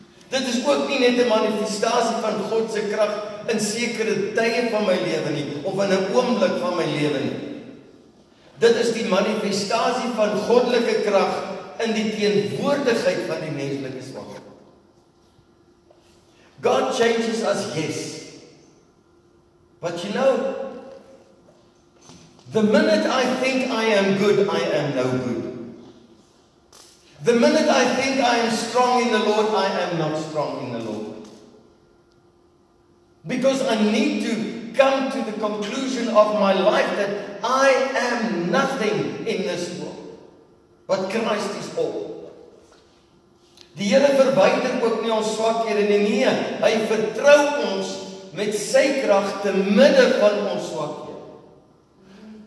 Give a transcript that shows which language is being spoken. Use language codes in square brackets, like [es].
[af] Dit is ook nie net 'n manifestasie van God se krag in sekere tye van my lewe nie, of in 'n oomblik van my lewe nie. Dit is die manifestasie van goddelike krag in die teenwoordigheid van die menslike swakheid. [en] God changes us, yes. But you know, the minute I think I am good, I am no good. The minute I think I am strong in the Lord, I am not strong in the Lord. Because I need to come to the conclusion of my life that I am nothing in this world. But Christ is all. [af] Die Here verwyder ook nie ons swakhede nie. Nee, hy vertrou ons met sy krag te midde van ons swakhede.